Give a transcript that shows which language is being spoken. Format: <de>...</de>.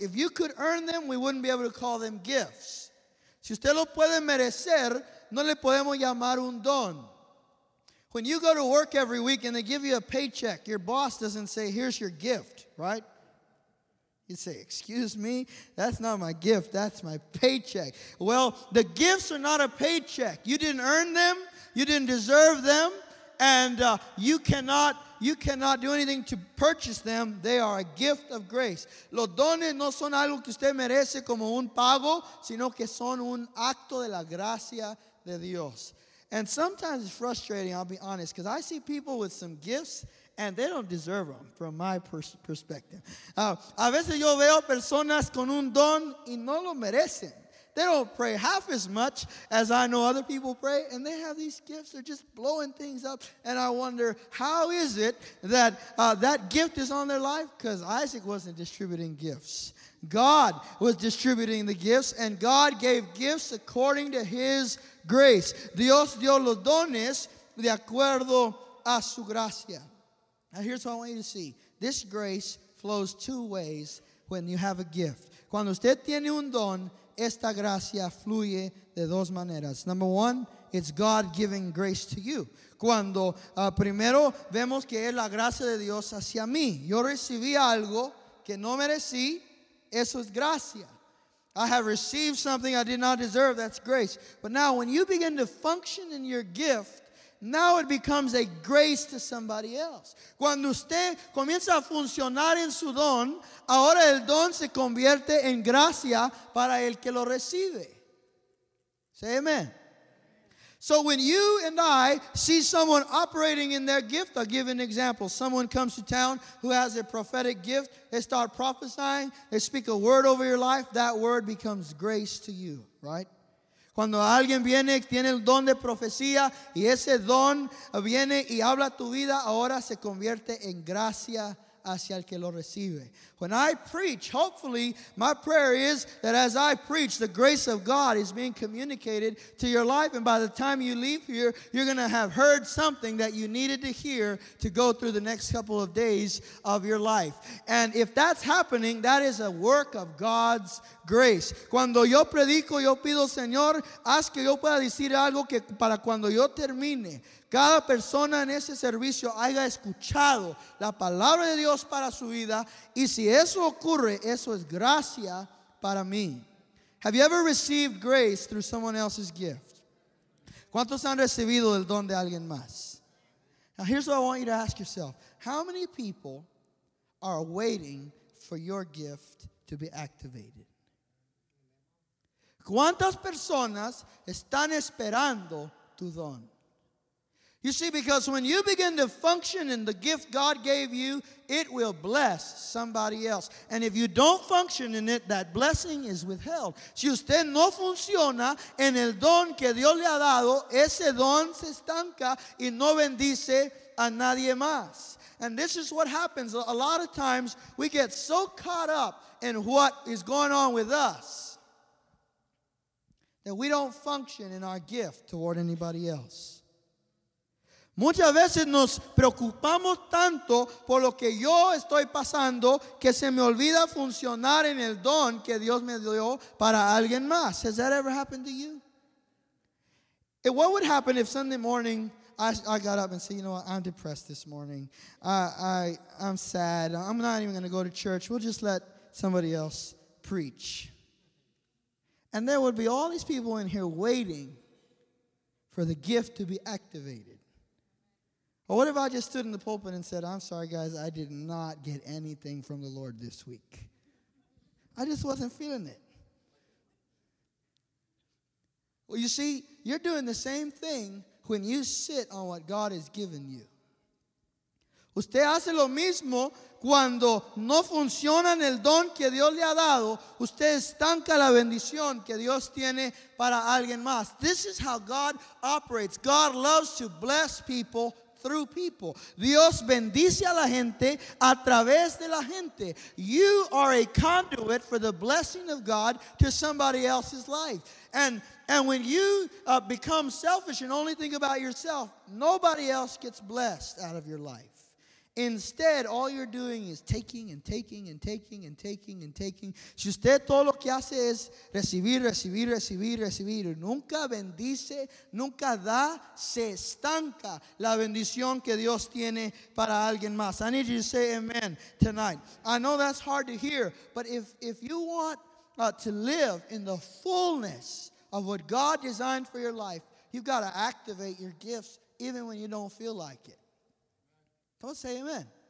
<en>If you could earn them, we wouldn't be able to call them gifts.</en> <es>Si usted lo puede merecer, no le podemos llamar un don.</es> <en>When you go to work every week and they give you a paycheck, your boss doesn't say, here's your gift, right? You say, excuse me, that's not my gift, that's my paycheck. Well, the gifts are not a paycheck. You didn't earn them, you didn't deserve them, and you cannot do anything to purchase them. They are a gift of grace.</en> <es>Los dones no son algo que usted merece como un pago, sino que son un acto de la gracia de Dios.</es> <en>And sometimes it's frustrating, I'll be honest, because I see people with some gifts, and they don't deserve them from my perspective.</en> <es>A veces yo veo personas con un don y no lo merecen.</es> <en>They don't pray half as much as I know other people pray, and they have these gifts. They're just blowing things up, and I wonder, how is it that that gift is on their life? Because Isaac wasn't distributing gifts. God was distributing the gifts, and God gave gifts according to his grace.</en> <es>Dios dio los dones de acuerdo a su gracia.</es> <en>Now, here's what I want you to see. This grace flows two ways when you have a gift.</en> <es>Cuando usted tiene un don, esta gracia fluye de dos maneras.</es> <en>Number one, it's God giving grace to you.</en> <es>Cuando primero vemos que es la gracia de Dios hacia mí. Yo recibí algo que no merecí, eso es gracia.</es> <en>I have received something I did not deserve, that's grace. But now when you begin to function in your gift, now it becomes a grace to somebody else.</en> <es>Cuando usted comienza a funcionar en su don, ahora el don se convierte en gracia para el que lo recibe.</es> <en>Say amen. So when you and I see someone operating in their gift, I'll give an example. Someone comes to town who has a prophetic gift. They start prophesying. They speak a word over your life. That word becomes grace to you, right?</en> <es>Cuando alguien viene, tiene el don de profecía, y ese don viene y habla tu vida, ahora se convierte en gracia hacia el que lo recibe.</es> <en>When I preach, hopefully, my prayer is that as I preach, the grace of God is being communicated to your life. And by the time you leave here, you're going to have heard something that you needed to hear to go through the next couple of days of your life. And if that's happening, that is a work of God's grace.</en> <es>Cuando yo predico, yo pido, Señor, haz que yo pueda decir algo que para cuando yo termine, cada persona en ese servicio haya escuchado la palabra de Dios para su vida. Y si eso ocurre, eso es gracia para mí.</es> <en>Have you ever received grace through someone else's gift?</en> <es>¿Cuántos han recibido el don de alguien más?</es> <en>Now here's what I want you to ask yourself. How many people are waiting for your gift to be activated?</en> <es>¿Cuántas personas están esperando tu don?</es> <en>You see, because when you begin to function in the gift God gave you, it will bless somebody else. And if you don't function in it, that blessing is withheld.</en> <es>Si usted no funciona en el don que Dios le ha dado, ese don se estanca y no bendice a nadie más.</es> <en>And this is what happens. A lot of times we get so caught up in what is going on with us that we don't function in our gift toward anybody else.</en> <es>Muchas veces nos preocupamos tanto por lo que yo estoy pasando que se me olvida funcionar en el don que Dios me dio para alguien más.</es> <en>Has that ever happened to you? And what would happen if Sunday morning I got up and said, you know what, I'm depressed this morning. I'm sad. I'm not even going to go to church. We'll just let somebody else preach. And there would be all these people in here waiting for the gift to be activated. Or what if I just stood in the pulpit and said, I'm sorry, guys, I did not get anything from the Lord this week. I just wasn't feeling it. Well, you see, you're doing the same thing when you sit on what God has given you.</en> <es>Usted hace lo mismo cuando no funciona en el don que Dios le ha dado. Usted estanca la bendición que Dios tiene para alguien más.</es> <en>This is how God operates. God loves to bless people through people.</en> <es>Dios bendice a la gente a través de la gente.</es> <en>You are a conduit for the blessing of God to somebody else's life. And when you become selfish and only think about yourself, nobody else gets blessed out of your life. Instead, all you're doing is taking and taking and taking and taking and taking.</en> <es>Si usted todo lo que hace es recibir, recibir, recibir, recibir, nunca bendice, nunca da, se estanca la bendición que Dios tiene para alguien más.</es> <en>I need you to say amen tonight. I know that's hard to hear, but if you want to live in the fullness of what God designed for your life, you've got to activate your gifts even when you don't feel like it. Don't say amen.</en>